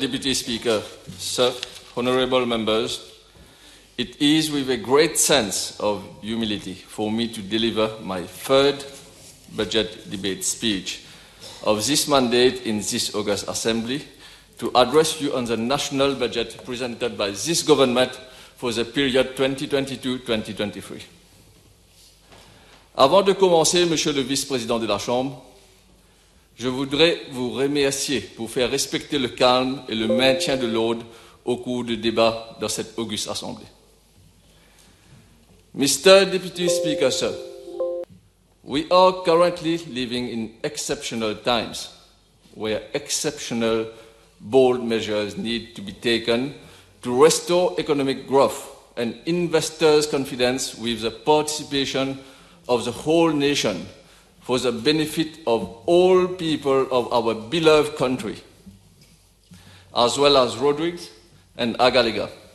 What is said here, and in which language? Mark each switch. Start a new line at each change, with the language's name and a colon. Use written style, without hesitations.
English: Deputy Speaker, sir, honourable members, it is with a great sense of humility for me to deliver my third budget debate speech of this mandate in this August Assembly to address you on the national budget presented by this government for the period 2022-2023.
French: Avant de commencer, Monsieur le Vice-président de la Chambre, je voudrais vous remercier pour faire respecter le calme et le maintien de l'ordre au cours du débat dans cette auguste assemblée.
English: Mr. Deputy Speaker, sir, we are currently living in exceptional times where exceptional bold measures need to be taken to restore economic growth and investors' confidence with the participation of the whole nation for the benefit of all people of our beloved country, as well as Rodrigues and Agaliga.